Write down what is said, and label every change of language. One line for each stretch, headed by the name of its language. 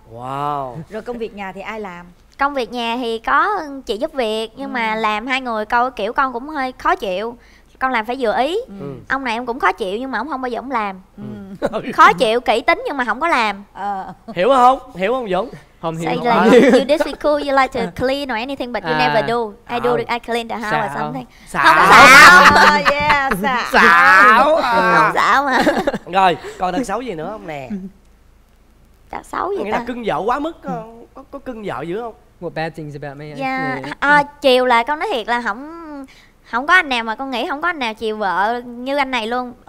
English: Wow.
Vietnamese: Rồi công việc nhà thì ai làm? Công việc nhà thì có chị giúp việc, nhưng mà làm hai người câu kiểu con cũng hơi khó chịu. Con làm phải vừa ý. Ông này em cũng khó chịu nhưng mà ông không bao giờ ông làm. Khó chịu, kỹ tính nhưng mà không có làm. Hiểu không? Hiểu không Dũng? Không hiểu.
English: So like you disagree cool, you like to clean or anything but you never do. I do I clean the house or something.
Vietnamese: Xạo. Xạo.
English: Yeah,
Vietnamese: xạo. Xạo mà. Rồi, còn đợt xấu gì nữa không nè? Đợt xấu gì ta? Nghĩa là cưng vợ quá mức, có cưng vợ dữ không?
English: What bad things about me?
Vietnamese: Chiều là con nói thiệt là không có anh nào mà con nghĩ không có anh nào chiều vợ như anh này luôn.